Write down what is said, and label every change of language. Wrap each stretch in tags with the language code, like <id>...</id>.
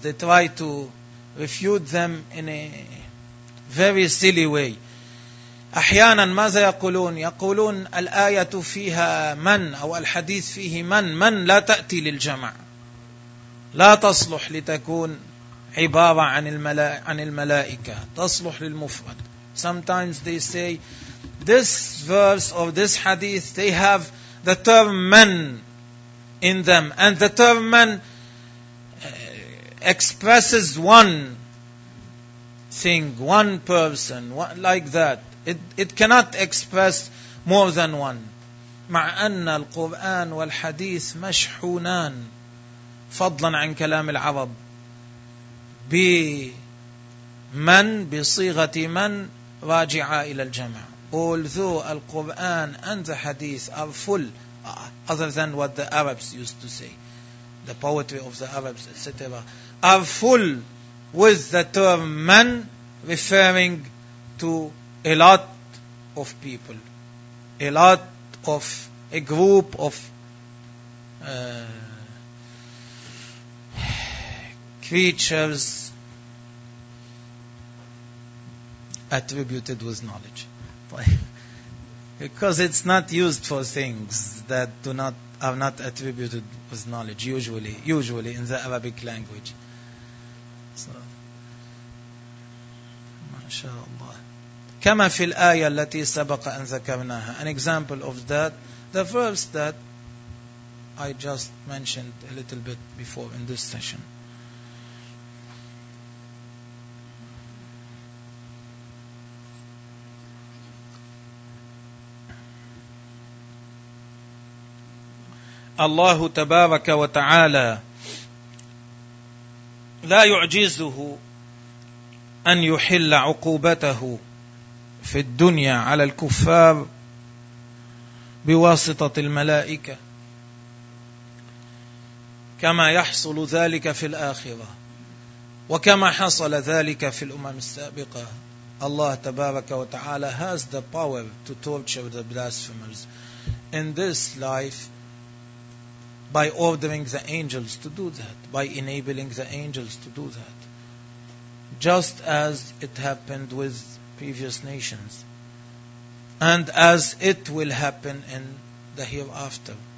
<en>They try to refute them in a very silly way.</en> <ar>أحيانا ماذا يقولون؟ يقولون الآية فيها من أو الحديث فيه من لا تأتي للجمع، لا تصلح لتكون عبارة عن الملائكة، تصلح للمفرد.</ar> <en>Sometimes they say this verse or this hadith they have the term من in them, and the term من expresses one thing, one person, like that. It cannot express more than one.</en> <ar>مع أن القرآن والحديث مشحونان فضلا عن كلام العرب بمن بصيغة من راجعة إلى الجمع.</ar> <en>Although the Quran and the Hadith are full, other than what the Arabs used to say, the poetry of the Arabs, etc., are full with the term من referring to a lot of people, a lot of a group of creatures attributed with knowledge. Because it's not used for things that are not attributed with knowledge usually in the Arabic language. So mashallah.</en> <ar>كما في الآية التي سبق أن ذكرناها.</ar> <en>An example of that, the verse that I just mentioned a little bit before in this session.</en> <ar>الله تبارك وتعالى لا يعجزه أن يحل عقوبته في الدنيا على الكفار بواسطة الملائكة كما يحصل ذلك في الآخرة وكما حصل ذلك في الأمم السابقة. الله تبارك وتعالى</ar> <en>has the power to torture the blasphemers in this life by ordering the angels to do that, by enabling the angels to do that, just as it happened with previous nations, and as it will happen in the hereafter.</en>